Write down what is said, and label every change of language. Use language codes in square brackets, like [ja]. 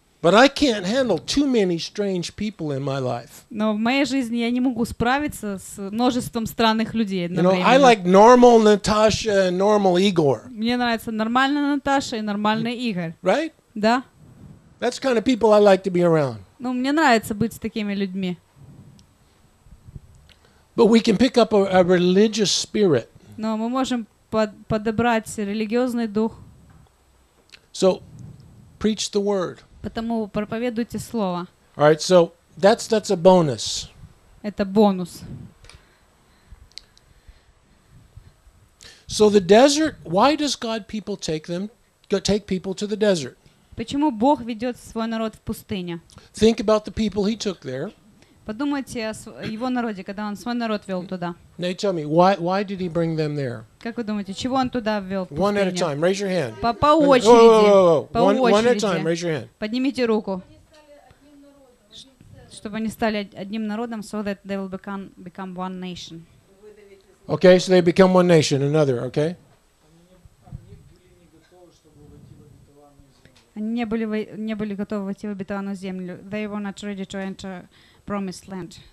[en] But I can't handle too many strange people in my life. [ru] Но в моей жизни я не могу справиться с множеством странных людей одновременно. [en] You know, I like normal Natasha and normal Igor. [ru] Мне нравится нормальная Наташа и нормальный Игорь. [en] Right? [ru] Да. [en] That's the kind of people I like to be around. [ru] Ну, мне нравится быть с такими людьми. [en] But we can pick up a religious spirit. [ru] Но мы можем подобрать религиозный дух. [en] So, preach the word. [ru] Потому проповедуйте слово. [en] All right, so that's a bonus. [ru] Это бонус. [en] So the desert, why does God people take them, take people to the desert? [ru] Почему Бог ведет свой народ в пустыню? [en] Think about the people He took there. [ru] Подумайте о его народе, когда он свой народ вел туда. [en] Now tell me, why did He bring them there? [ru] Как вы думаете, чего он туда ввел? [en] One at a time, raise your hand. [ru] По очереди. [en] One at a time, raise your hand. [ru] Поднимите руку. Чтобы они стали одним народом, [en] so that they will become one nation. Okay, so they become one nation, another, okay? [ru] Они не были готовы войти в обетованную землю. [en] They were not ready to enter promised land.